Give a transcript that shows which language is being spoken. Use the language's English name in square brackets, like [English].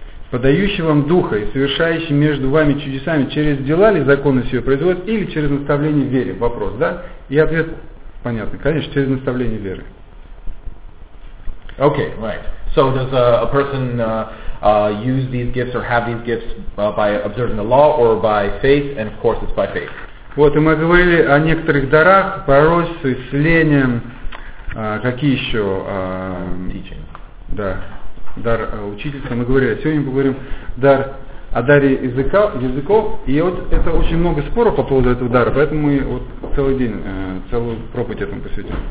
[Russian] Подающий вам Духа и совершающий между вами чудесами через дела ли законность ее производит или через наставление веры? Вопрос, да? И ответ понятный. Конечно, через наставление веры. [English] Okay, right. So does a person use these gifts or have these gifts by observing the law or by faith? And of course, it's by faith. [Russian] Вот, и мы говорили о некоторых дарах, пророчестве, исцелении, какие еще? [English] Teaching. [Russian] Да, дар учительства. Мы говорили, сегодня поговорим дар, о даре языков. И вот это очень много споров по поводу этого дара, поэтому мы вот целый день, целую проповедь этому посвятим.